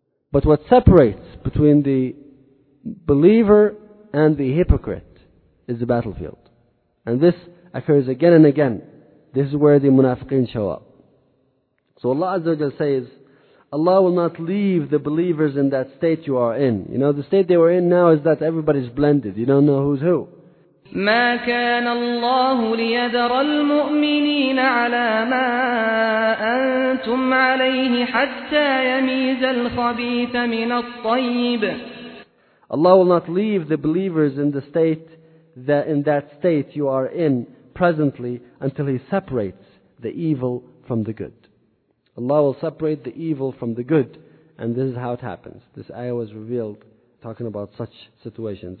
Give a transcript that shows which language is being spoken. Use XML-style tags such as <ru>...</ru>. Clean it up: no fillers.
<en>But what separates between the believer and the hypocrite is the battlefield. And this occurs again and again. This is where the munafiqeen show up. So Allah Azza wa Jal says, Allah will not leave the believers in that state you are in. You know, the state they were in now is that everybody's blended. You don't know who's who.</en> <ar>ما كان الله ليذر المؤمنين على ما أنتم عليه حتى يميز الخبيث من الطيب.</ar> <en>Allah will not leave the believers in the state that in that state you are in presently until He separates the evil from the good. Allah will separate the evil from the good, and this is how it happens. This ayah was revealed talking about such situations.</en>